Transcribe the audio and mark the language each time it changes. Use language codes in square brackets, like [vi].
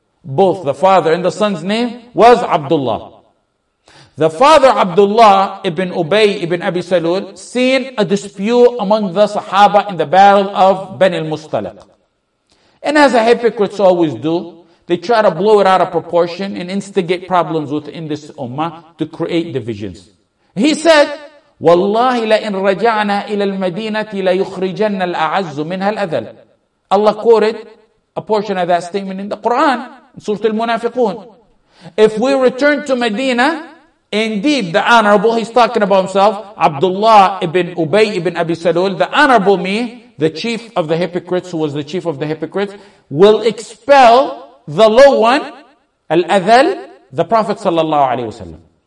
[en] Both the father and the son's name was Abdullah. The father Abdullah ibn Ubayy ibn Abi Salul seen a dispute among the Sahaba in the battle of Bani al-Mustalik. And as the hypocrites always do, they try to blow it out of proportion and instigate problems within this ummah to create divisions. He said, [ar] وَاللَّهِ لَئِن رَجَعْنَا إِلَى الْمَدِينَةِ لَيُخْرِجَنَّ الْأَعَزُّ مِنْهَا الْأَذَلِ. [en] Allah quoted a portion of that statement in the Quran, in Surah Al-Munafiqun. If we return to Medina, indeed the honorable, he's talking about himself, Abdullah ibn Ubayy ibn Abi Salul, the honorable me, the chief of the hypocrites, who was the chief of the hypocrites, will expel the low one, Al-Adhal, the Prophet sallallahu alayhi wasallam.